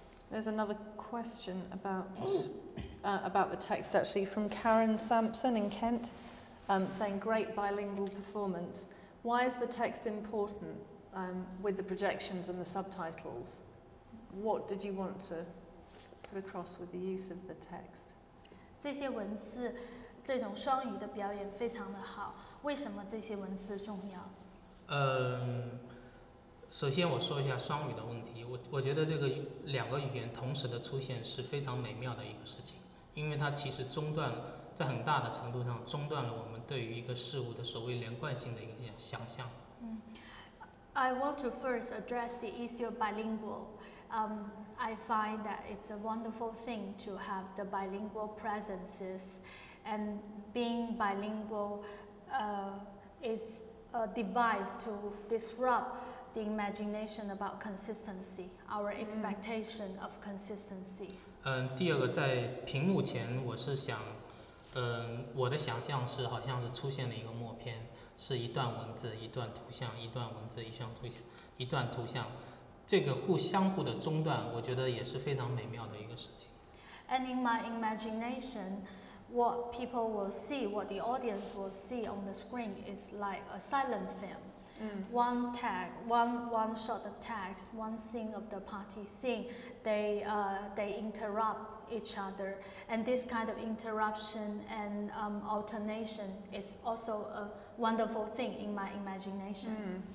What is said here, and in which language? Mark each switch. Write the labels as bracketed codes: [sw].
[en] There's another question about the text actually from Karen Sampson in Kent, saying great bilingual performance. Why is the text important with the projections and the subtitles? What did you want to put across with the use of the text? [zh] 这些文字，这种双语的表演非常的好。为什么这些文字重要？首先我说一下双语的问题。我觉得这个两个语言同时的出现是非常美妙的一个事情，因为它其实中断了，在很大的程度上中断了我们对于一个事物的所谓连贯性的一个想象。 [en] I want to first address the issue of bilingual. I find that it's a wonderful thing to have the bilingual presences, and being bilingual is a device to disrupt the imagination about consistency, our expectation of consistency. [zh] 第二个，在屏幕前，我是想，我的想象是好像是出现了一个默片，是一段文字，一段图像，一段文字，一段图像，一段图像。这个互相互的中断我觉得也是非常美妙的一个事情 [en] And in my imagination what people will see what the audience will see on the screen is like a silent film、one tag one shot of text one scene of the party scene they interrupt each other and this kind of interruption and alternation is also a wonderful thing in my imagination